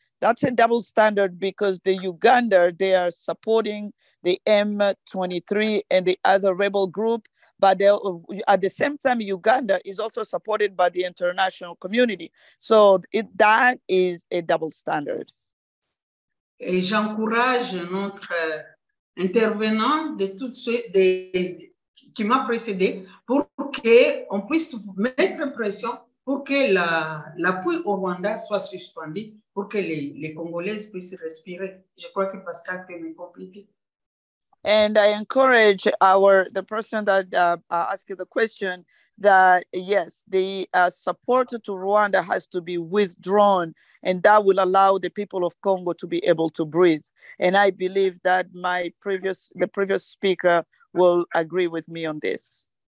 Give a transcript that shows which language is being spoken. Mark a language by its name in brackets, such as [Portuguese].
[English] That's a double standard because the Uganda, they are supporting the M23 and the other rebel group, but at the same time, Uganda is also supported by the international community. So that is a double standard. [French] Et j'encourage notre intervenant de tout de suite qui m'a précédé pour qu'on puisse mettre pression pour que l'appui au Rwanda soit suspendu pour que les Congolaises puissent respirer. Je crois que Pascal peut me compliquer. [English] And I encourage the person that asked the question that yes, the support to Rwanda has to be withdrawn, and that will allow the people of Congo to be able to breathe. And I believe that the previous speaker will agree with me on this.